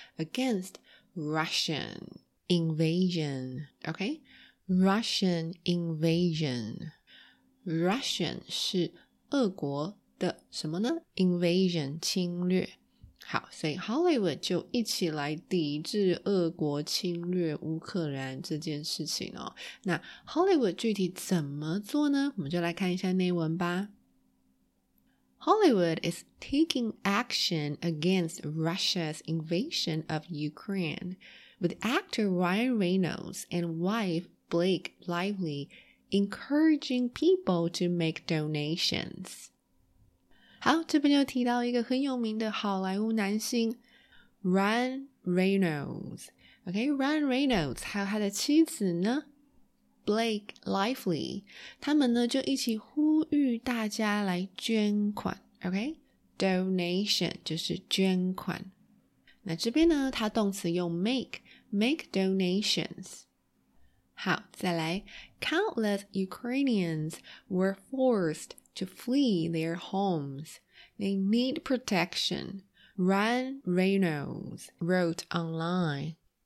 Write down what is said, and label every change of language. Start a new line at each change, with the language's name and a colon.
English: against Russian invasion， OK， Russian invasion， Russian
Chinese: 是俄国的什么呢？ invasion 侵略。好，所以 Hollywood 就一起来抵制俄国侵略乌克兰这件事情哦。那 Hollywood 具体怎么做呢？我们就来看一下内文吧。
English: Hollywood is taking action against Russia's invasion of Ukraine with actor Ryan Reynolds and wife Blake Lively encouraging people to make donations.
Chinese: 好，这边就提到一个很有名的好莱坞男星 Ryan Reynolds。 OK， Ryan Reynolds 还有他的妻子呢 Blake Lively， 他们呢就一起呼吁大家来捐款。 OK， Donation 就是捐款。那这边呢他动词用 make donations。好，再来，
English: Countless Ukrainians were forced to flee their homes. They need protection, Ryan Reynolds wrote online.